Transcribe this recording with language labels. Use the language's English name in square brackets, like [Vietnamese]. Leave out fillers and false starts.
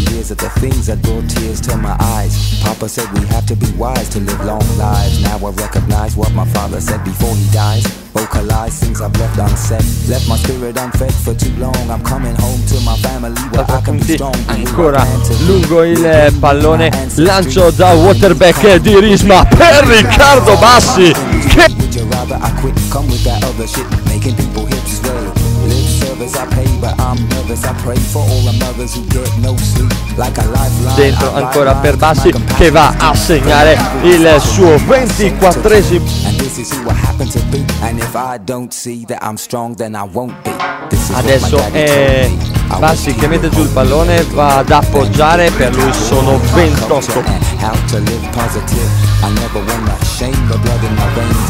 [English] The things that brought tears to my eyes. Papa said we have to be wise to live long lives. Now I recognize what my father said before he dies. Vocalize things I've left unsaid. Left my spirit unfed for too long. I'm coming home to my family where I can be strong. [Italian] Ancora lungo il pallone, lancio da waterback di Risma per Riccardo Bassi. [English] Would you rather I quit? Come with that other shit, making people hip sway. I pay, but I'm nervous. I pray for all the mothers who get no sleep. Like a lifeline. [Italian] Dentro ancora per Bassi che va a segnare il suo 24esimo. [English] And this is who I happen to be. And if I don't see that I'm strong, then I won't be. [Italian] Adesso è Bassi che mette giù il pallone, va ad appoggiare, per lui sono 28. [English] How to live positive. I never want to shame the blood in my veins.